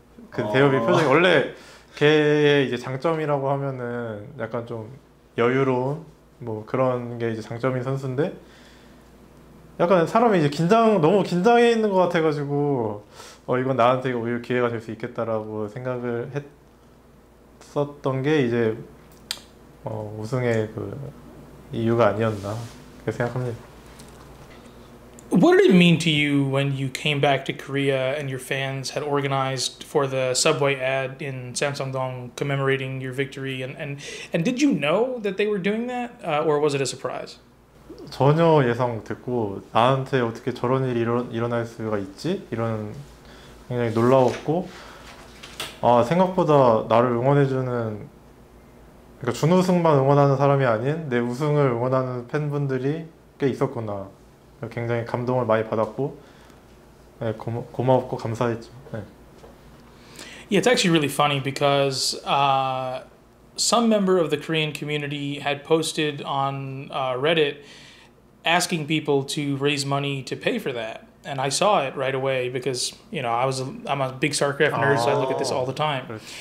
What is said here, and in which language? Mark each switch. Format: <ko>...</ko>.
<ko>그 대엽이 표정이 원래 걔의 이제 장점이라고 하면은 약간 좀 여유로운 뭐 그런 게 이제 장점인 선수인데 약간 사람이 이제 너무 긴장해 있는 것 같아가지고 이건 나한테 오히려 기회가 될 수 있겠다라고 생각을 했었던 게 이제 우승의 그 이유가 아니었나 그렇게 생각합니다.</ko> <en>What did it mean to you when you came back to Korea and your fans had organized for the subway ad in Samsung-dong commemorating your victory? And did you know that they were doing that, or was it a surprise?</en> <ko>전혀 예상 못했고 나한테 어떻게 저런 일이 일어날 수가 있지? 이런 굉장히 놀라웠고 생각보다 나를 응원해주는 그러니까 준우승만 응원하는 사람이 아닌 내 우승을 응원하는 팬분들이 꽤 있었구나. 굉장히 감동을 많이 받았고 네, 고맙고 감사했죠. 네.</ko> <en>Yeah, it's actually really funny because some member of the Korean community had posted on Reddit asking people to raise money to pay for that. And I saw it right away because, you know, I'm a big StarCraft nerd, so I look at this all the time.</en>